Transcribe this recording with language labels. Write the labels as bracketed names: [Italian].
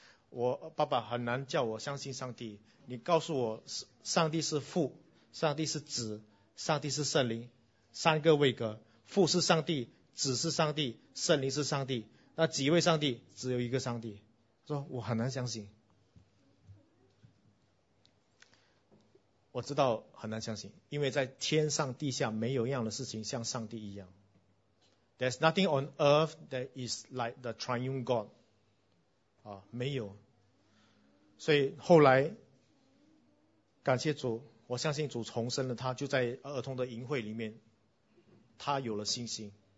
[Chinese] 我爸爸很难叫我相信上帝，你告诉我上帝是父，上帝是子，上帝是圣灵，三个位格，父是上帝，子是上帝，圣灵是上帝，那几位上帝，只有一个上帝。说我很难相信。我知道很难相信， 因为在天上地下没有一样的事情像上帝一样。 [English] There's nothing on earth that is like the triune God. [Chinese] 啊, 没有。所以后来, 感谢主, 我相信主重生了他, 就在儿童的营会里面, 他有了信心。